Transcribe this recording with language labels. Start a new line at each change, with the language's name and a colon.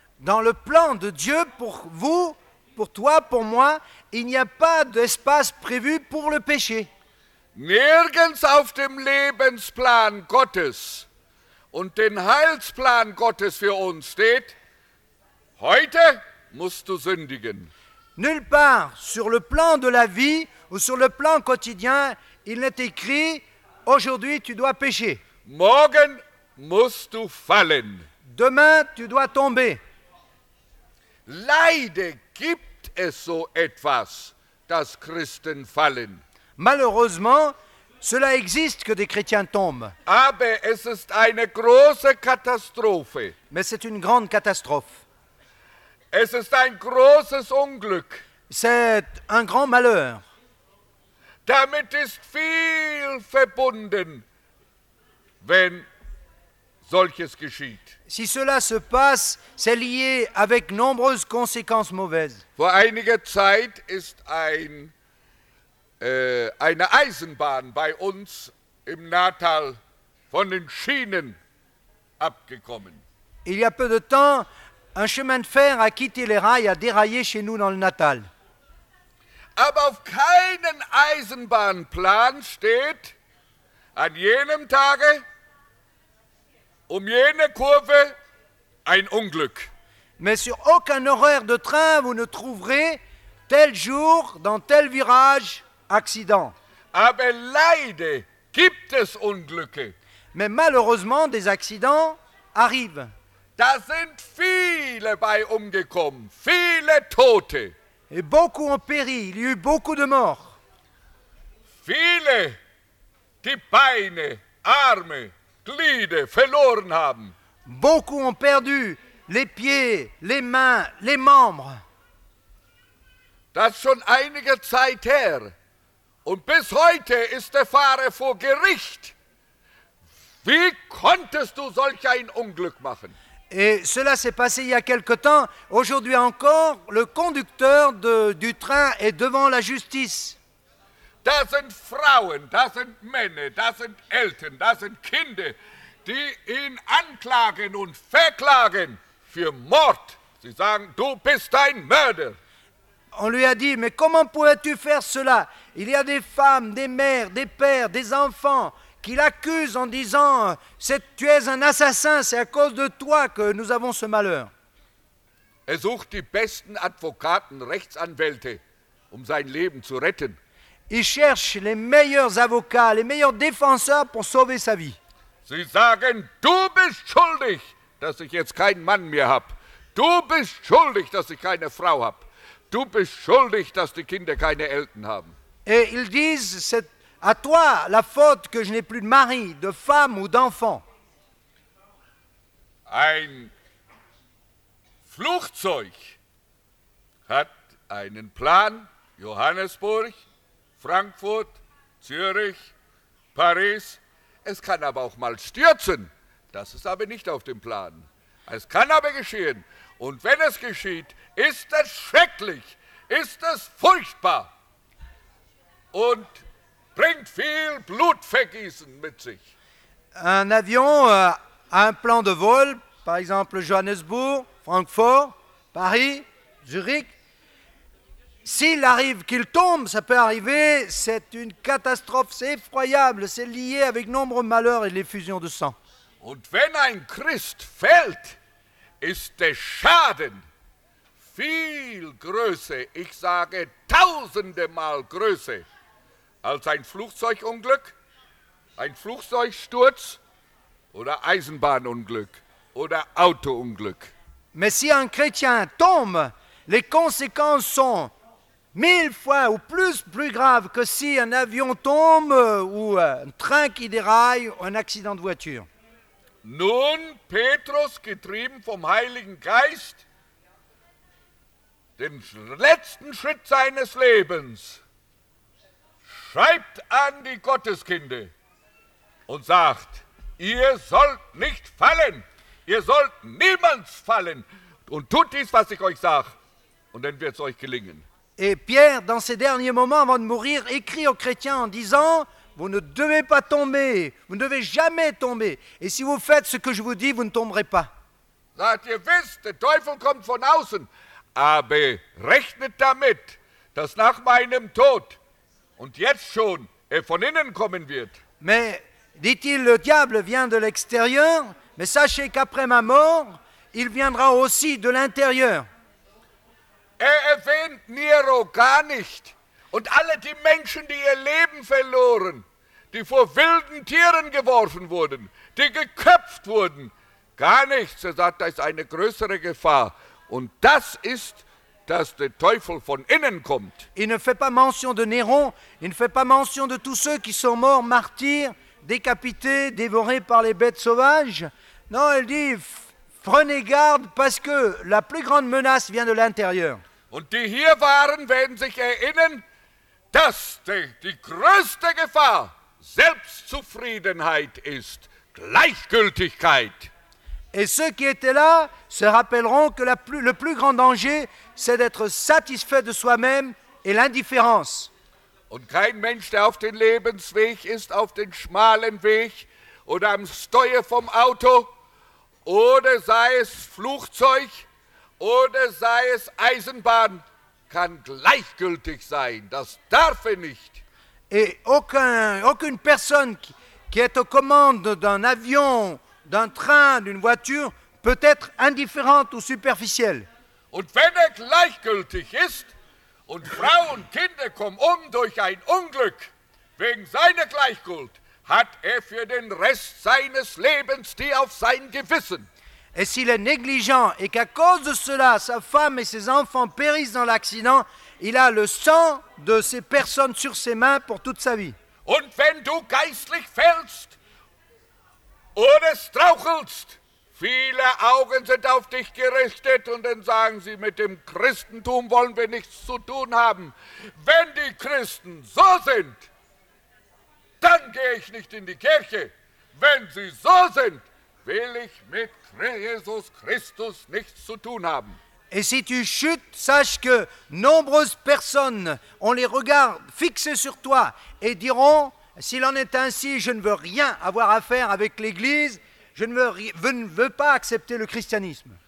French: Dans le plan de Dieu pour vous, pour toi, pour moi, il n'y a pas d'espace prévu pour le péché.
German: Nirgends auf dem Lebensplan Gottes und den Heilsplan Gottes für uns steht, heute musst du sündigen.
French: Nulle part sur le plan de la vie ou sur le plan quotidien, il n'est écrit aujourd'hui tu dois pécher.
German: Morgen musst du fallen.
French: Demain tu dois tomber.
German: Leider gibt es so etwas, dass Christen fallen.
French: Malheureusement, cela existe que des chrétiens tombent.
German: Aber es ist eine große Katastrophe.
French: Mais c'est une grande catastrophe.
German: Es ist ein großes Unglück.
French: C'est un grand malheur.
German: Damit ist viel verbunden, wenn solches geschieht.
French: Si cela se passe, c'est lié avec nombreuses conséquences mauvaises.
German: Vor einiger Zeit ist eine Eisenbahn bei uns im Natal von den Schienen abgekommen.
French: Il y a peu de temps, un chemin de fer a quitté les rails, a déraillé chez nous dans le Natal.
German: Aber auf keinen Eisenbahnplan steht, an jenem Tage, jene Kurve, ein Unglück.
French: Mais sur aucun horaire de train, vous ne trouverez tel jour, dans tel virage, accident.
German: Aber leider gibt es Unglücke.
French: Mais malheureusement, des accidents arrivent.
German: Da sind viele bei umgekommen, viele Tote.
French: Et beaucoup ont péri, il y a eu beaucoup de morts.
German: Viele, die Beine, Arme, Glieder verloren haben.
French: Beaucoup ont perdu les pieds, les mains, les membres.
German: Das schon einige Zeit her. Und bis heute ist der Fahrer vor Gericht. Wie konntest du solch ein Unglück machen?
French: Et cela s'est passé il y a quelque temps. Aujourd'hui encore, le conducteur du train est devant la justice.
German: Da sind Frauen, da sind Männer, da sind Eltern, da sind Kinder, die ihn anklagen und verklagen für Mord. Sie sagen, du bist ein Mörder.
French: On lui a dit, mais comment pourrais-tu faire cela? Il y a des femmes, des mères, des pères, des enfants qui l'accuse en disant « Tu es un assassin, c'est à cause de toi que nous avons ce malheur. »
German: Er sucht die besten Advokaten, Rechtsanwälte, sein Leben zu retten.
French: Il cherche les meilleurs avocats, les meilleurs défenseurs pour sauver sa vie.
German: Sie sagen, du bist schuldig, dass ich jetzt keinen Mann mehr hab. Du bist schuldig, dass ich keine Frau hab. Du bist schuldig, dass die Kinder keine Eltern haben.
French: Et ils disent, c'est à toi la faute que je n'ai plus de mari, de femme ou d'enfant.
German: Ein Flugzeug hat einen Plan, Johannesburg, Frankfurt, Zürich, Paris. Es kann aber auch mal stürzen. Das ist aber nicht auf dem Plan. Es kann aber geschehen. Und wenn es geschieht, ist es schrecklich, ist es furchtbar und bringt viel Blutvergießen mit sich.
French: Un avion a un plan de vol, par exemple Johannesburg, Francfort, Paris, Zurich. S'il arrive qu'il tombe, ça peut arriver, c'est une catastrophe, c'est effroyable, c'est lié avec nombreux malheurs et l'effusion de sang.
German: Und wenn ein Christ fällt, ist der Schaden viel größer, ich sage tausende Mal größer, als ein Flugzeugunglück, ein Flugzeugsturz oder Eisenbahnunglück oder Autounglück.
French: Mais si un chrétien tombe, les conséquences sont mille fois ou plus graves que si un avion tombe ou un train qui déraille ou un accident de voiture.
German: Nun, Petrus, getrieben vom Heiligen Geist, den letzten Schritt seines Lebens, schreibt an die Gotteskinder und sagt, ihr sollt nicht fallen, ihr sollt niemals fallen und tut dies, was ich euch sage, und dann wird es euch gelingen.
French: Et Pierre, dans ses derniers moments avant de mourir, écrit aux chrétiens en disant, vous ne devez pas tomber, vous ne devez jamais tomber. Et si vous faites ce que je vous dis, vous ne tomberez pas.
German: Sagt ihr wisst, der Teufel kommt von außen, aber rechnet damit, dass nach meinem Tod und jetzt schon er von innen kommen wird.
French: Mais, dit-il, le diable vient de l'extérieur, mais sachez qu'après ma mort, il viendra aussi de l'intérieur.
German: Er erwähnt Nero gar nicht. Und alle die Menschen, die ihr Leben verloren, die vor wilden Tieren geworfen wurden, die geköpft wurden, gar nichts. Er sagt, da ist eine größere Gefahr. Und das ist, dass der Teufel von innen kommt.
French: Il ne fait pas mention de Néron, il ne fait pas mention de tous ceux qui sont morts, martyrs, décapités, dévorés par les bêtes sauvages. Non, il dit, prenez garde, parce que la plus grande menace vient de l'intérieur.
German: Und die hier waren, werden sich erinnern, dass die größte Gefahr Selbstzufriedenheit ist, Gleichgültigkeit.
French: Et ceux qui étaient là se rappelleront que le plus grand danger, c'est d'être satisfait de soi-même et l'indifférence.
German: Und kein Mensch, der auf dem Lebensweg ist, auf dem schmalen Weg oder am Steuer vom Auto, oder sei es Flugzeug, oder sei es Eisenbahn, kann gleichgültig sein. Das darf er nicht.
French: Et aucune personne qui est aux commandes d'un avion, d'un train, d'une voiture, peut être indifférente ou superficielle.
German: Und wenn er gleichgültig ist, und Frauen und Kinder kommen um durch ein Unglück, wegen seiner Gleichgültigkeit, hat er für den Rest seines Lebens die auf sein Gewissen.
French: Et s'il est négligent et qu'à cause de cela, sa femme et ses enfants périssent dans l'accident, il a le sang de ces personnes sur ses mains pour toute sa vie.
German: Und wenn du geistlich fällst oder strauchelst, viele Augen sind auf dich gerichtet und dann sagen sie, mit dem Christentum wollen wir nichts zu tun haben. Wenn die Christen so sind, dann gehe ich nicht in die Kirche. Wenn sie so sind, will ich mit Jesus Christus nichts zu tun haben.
French: Et si tu chutes, sache que nombreuses personnes ont les regards fixés sur toi et diront, s'il en est ainsi, je ne veux rien avoir à faire avec l'Église, je ne veux pas accepter le christianisme.